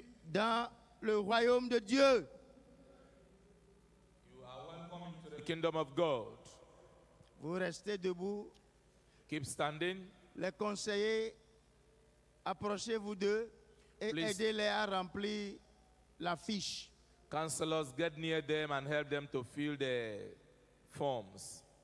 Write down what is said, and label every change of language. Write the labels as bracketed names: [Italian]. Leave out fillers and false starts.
[French] Dans le royaume de Dieu. [English] You are welcome into the kingdom of God. [French] Vous restez debout. [English] Keep standing. [French] Les conseillers, approchez-vous d'eux et please, aidez-les à remplir la fiche. [English] Counselors, get near them and help them to fill the forms.